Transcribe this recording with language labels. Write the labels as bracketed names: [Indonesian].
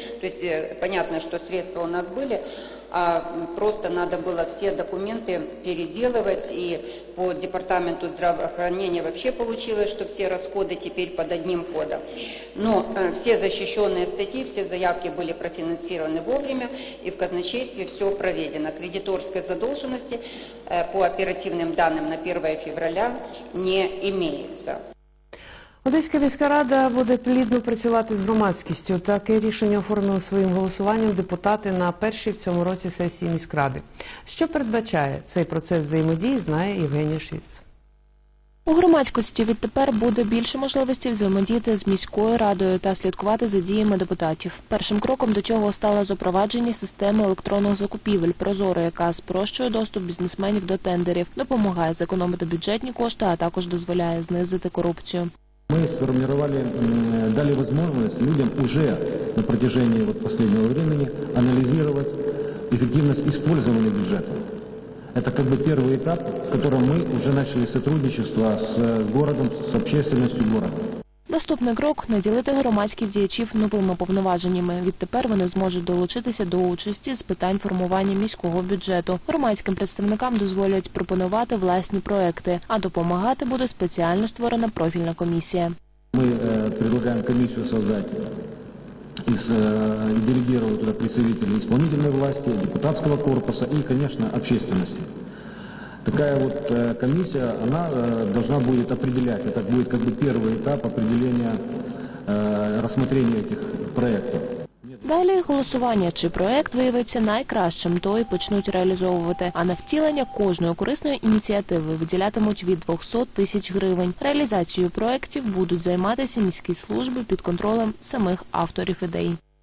[Russian] То есть понятно, что средства у нас были. А просто надо было все документы переделывать, и по департаменту здравоохранения вообще получилось, что все расходы теперь под одним кодом. Но все защищенные статьи, все заявки были профинансированы вовремя, и в казначействе все проведено. Кредиторской задолженности по оперативным данным на 1 февраля не имеется. [Ukrainian] Одеська міська рада буде плідно працювати з громадськістю. Таке рішення оформили своїм голосуванням депутати на першій в цьому році сесії міськради. Що передбачає цей процес взаємодії, знає Євгенія Швіц. У громадськості відтепер буде більше можливості взаємодіяти з міською радою та слідкувати за діями депутатів. Першим кроком до цього стало запровадження системи електронних закупівель «Прозоро», яка спрощує доступ бізнесменів до тендерів, допомагає зекономити бюджетні кошти, а також дозволяє знизити корупцію. [Russian] Мы сформировали, дали возможность людям уже на протяжении вот последнего времени анализировать эффективность использования бюджета. Это как бы первый этап, в котором мы уже начали сотрудничество с городом, с общественностью города. [Ukrainian] Наступний крок – наділити громадських діячів новими повноваженнями. Відтепер вони зможуть долучитися до участі з питань формування міського бюджету. Громадським представникам дозволять пропонувати власні проекти, а допомагати буде спеціально створена профільна комісія. Ми пропонуємо комісію створити і делегувати туди представників виконавчої влади, депутатського корпусу і, звісно, громадськості. [Russian] Такая вот комиссия, она должна будет определять, это будет как бы первый этап определения рассмотрения этих проектов. [Ukrainian] Далі голосування, чи проект виявиться найкращим, той почнуть реалізовувати. А на втілення кожної корисної ініціативи виділятимуть від 200 тисяч гривень. Реалізацією проектів будуть займатися міські служби під контролем самих авторів ідей.